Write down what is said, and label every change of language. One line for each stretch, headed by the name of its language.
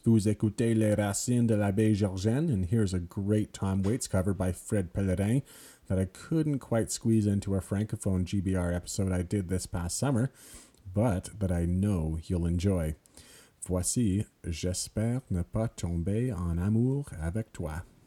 French: Vous écoutez les racines de la baie Georgienne.
English: And here's a great Tom Waits cover by Fred Pellerin that I couldn't quite squeeze into a francophone GBR episode I did this past summer, but that I know you'll enjoy.
French: Voici J'espère ne pas tomber en amour avec toi.